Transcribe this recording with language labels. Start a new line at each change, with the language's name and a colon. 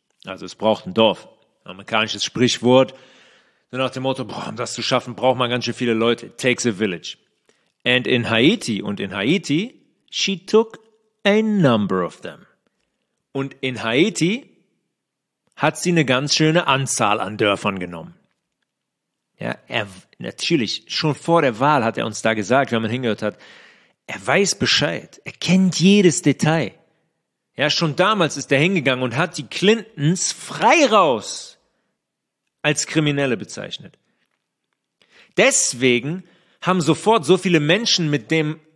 German: Also es braucht ein Dorf. Amerikanisches Sprichwort. So nach dem Motto, boah, um das zu schaffen, braucht man ganz schön viele Leute.
English: It takes a village. And in Haiti, she took a number of them.
German: Und in Haiti hat sie eine ganz schöne Anzahl an Dörfern genommen. Ja, natürlich, schon vor der Wahl hat er uns da gesagt, wenn man hingehört hat, er weiß Bescheid, er kennt jedes Detail. Ja, schon damals ist er hingegangen und hat die Clintons frei raus als Kriminelle bezeichnet. Deswegen haben sofort so viele Menschen mit dem